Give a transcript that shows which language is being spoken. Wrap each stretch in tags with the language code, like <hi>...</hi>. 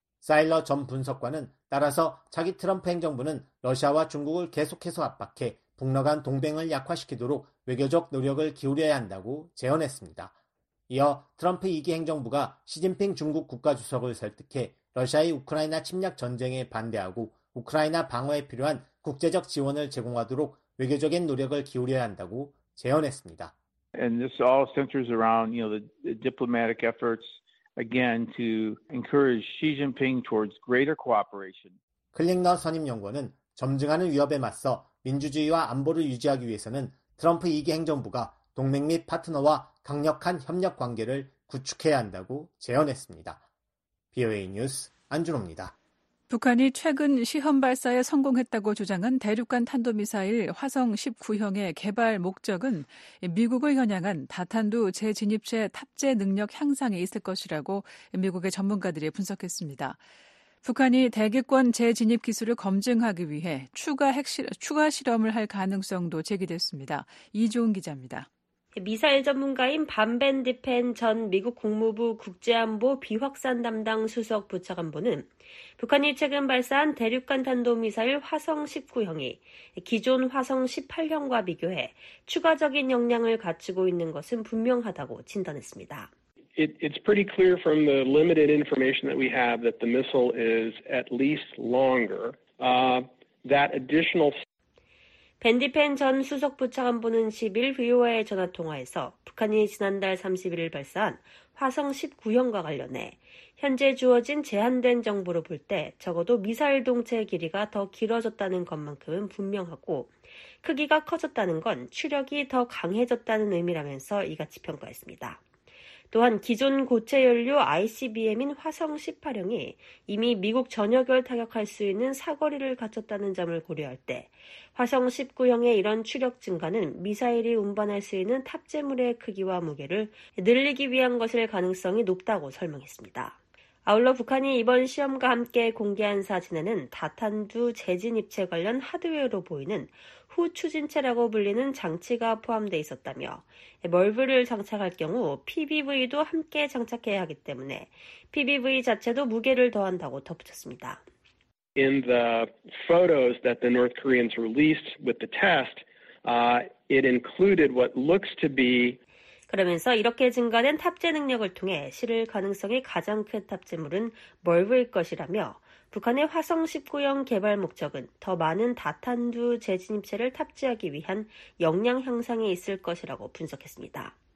<ko>사일러 전 분석관은 따라서 차기 트럼프 행정부는 러시아와 중국을 계속해서 압박해 북러 간 동맹을 약화시키도록 외교적 노력을 기울여야 한다고 재언했습니다. 이어 트럼프 2기 행정부가 시진핑 중국 국가주석을 설득해 러시아의 우크라이나 침략 전쟁에 반대하고 우크라이나 방어에 필요한 국제적 지원을 제공하도록 외교적인 노력을 기울여야 한다고 재언했습니다.</ko> <en>And this all centers around, you know, the diplomatic efforts again to encourage Xi Jinping towards greater cooperation.</en> <ko>클링너 선임연구원은 점증하는 위협에 맞서 민주주의와 안보를 유지하기 위해서는 트럼프 2기 행정부가 동맹 및 파트너와 강력한 협력 관계를 구축해야 한다고 재언했습니다. BOA 뉴스 안준호입니다. 북한이 최근 시험 발사에 성공했다고 주장한 대륙간 탄도미사일 화성 19형의 개발 목적은 미국을 겨냥한 다탄두 재진입체 탑재 능력 향상에 있을 것이라고 미국의 전문가들이 분석했습니다. 북한이 대기권 재진입 기술을 검증하기 위해 추가 실험을 할 가능성도 제기됐습니다. 이종훈 기자입니다. 미사일 전문가인 반벤디펜 전 미국 국무부 국제안보 비확산 담당 수석 부차관보는 북한이 최근 발사한 대륙간 탄도미사일 화성 19형이 기존 화성 18형과 비교해 추가적인 역량을 갖추고 있는 것은 분명하다고 진단했습니다.</ko> <en>It's pretty clear from the limited information that we have that the missile is at least longer. That additional</en> <ko>밴디펜 전 수석 부차관보는 10일 VOA 전화 통화에서 북한이 지난달 31일 발사한 화성 19형과 관련해 현재 주어진 제한된 정보로 볼 때 적어도 미사일 동체 길이가 더 길어졌다는 것만큼은 분명하고 크기가 커졌다는 건 추력이 더 강해졌다는 의미라면서 이같이 평가했습니다. 또한 기존 고체 연료 ICBM인 화성 18형이 이미 미국 전역을 타격할 수 있는 사거리를 갖췄다는 점을 고려할 때 화성 19형의 이런 추력 증가는 미사일이 운반할 수 있는 탑재물의 크기와 무게를 늘리기 위한 것일 가능성이 높다고 설명했습니다. 아울러 북한이 이번 시험과 함께 공개한 사진에는 다탄두 재진입체 관련 하드웨어로 보이는 후추진체라고 불리는 장치가 포함되어 있었다며 멀브를 장착할 경우 PBV도 함께 장착해야 하기 때문에 PBV 자체도 무게를 더한다고 덧붙였습니다.</ko> <en>In the photos that the North Koreans released with the test, it included what looks to be</en> <ko>그러면서 이렇게 증가된 탑재 능력을 통해 실을 가능성이 가장 큰 탑재물은 멀브일 것이라며 북한의 화성 19형 개발 목적은 더 많은 다탄두 재진입체를 탑재하기 위한 역량 향상에 있을 것이라고 분석했습니다.</ko>